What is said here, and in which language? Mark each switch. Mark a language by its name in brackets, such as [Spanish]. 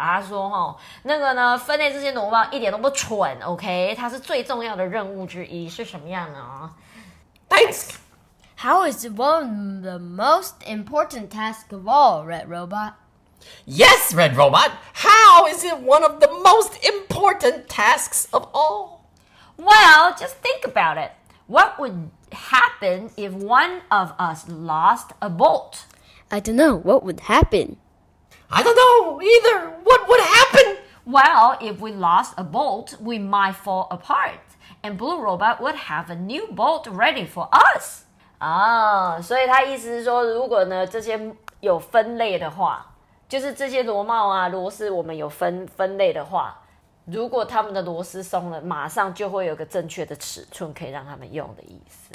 [Chinese] 他说：“哦，那个呢，分类这些螺帽一点都不蠢 ，OK？它是最重要的任务之一，是什么样呢 [English] ？”Thanks. How is one the most important task of all, Red Robot? Yes, Red Robot. How is it one of the most important tasks of all? Well, just think about it. What would happen if one of us lost a bolt? I don't know. What would happen? I don't know either. What would happen? Well, if we lost a bolt, we might fall apart. And Blue Robot would have a new bolt ready for us. [Chinese] Oh, 所以他意思是说，如果呢这些有分类的话，就是这些螺帽啊螺丝，我们有分类的话，如果他们的螺丝松了，马上就会有个正确的尺寸可以让他们用的意思。